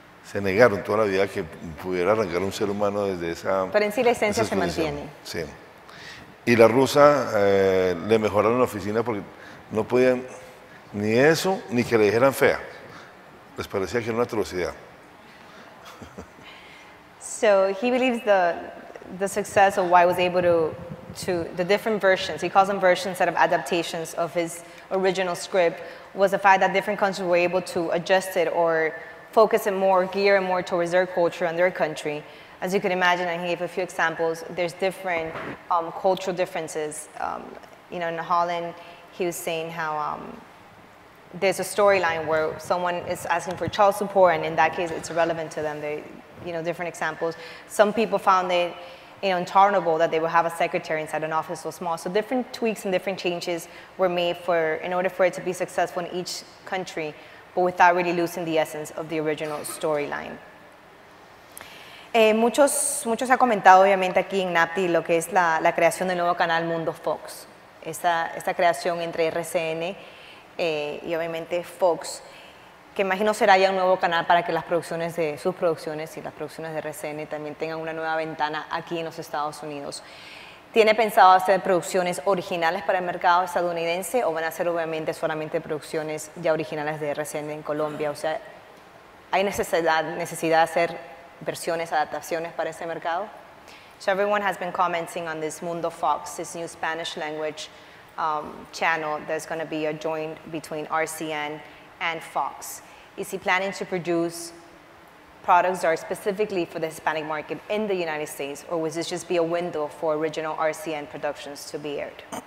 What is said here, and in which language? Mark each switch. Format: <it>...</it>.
<es>Se negaron toda la vida que pudiera arrancar un ser humano desde esa... Pero en sí la esencia se mantiene. Sí. Y la rusa le mejoraron la oficina porque no podían ni eso, ni que le dijeran fea. Les parecía que era una atrocidad.</es> <en>So he believes the success of why was able to the different versions, he calls them versions instead of adaptations of his original script, was the fact that different countries were able to adjust it or focus it more, gear it more towards their culture and their country. As you can imagine, and he gave a few examples, there's different cultural differences. You know, in Holland, he was saying how there's a storyline where someone is asking for child support, and in that case, it's irrelevant to them. They, you know, different examples. Some people found it, you know, intolerable that they would have a secretary inside an office so small. So different tweaks and different changes were made in order for it to be successful in each country, but without really losing the essence of the original storyline.</en> <es>Muchos ha comentado, obviamente, aquí en NAPTI lo que es la creación del nuevo canal Mundo Fox. Esta creación entre RCN y obviamente Fox, que imagino será ya un nuevo canal para que las producciones de sus producciones y las producciones de RCN también tengan una nueva ventana aquí en los Estados Unidos. ¿Tiene pensado hacer producciones originales para el mercado estadounidense o van a ser obviamente solamente producciones ya originales de RCN en Colombia? O sea, ¿hay necesidad de hacer versiones, adaptaciones para ese mercado?</es> <en>So everyone has been commenting on this Mundo Fox, this new Spanish language channel that's going to be a joint between RCN and Fox. Is he planning to produce products are specifically for the Hispanic market in the United States, or would this just be a window for original RCN productions to be aired?</en>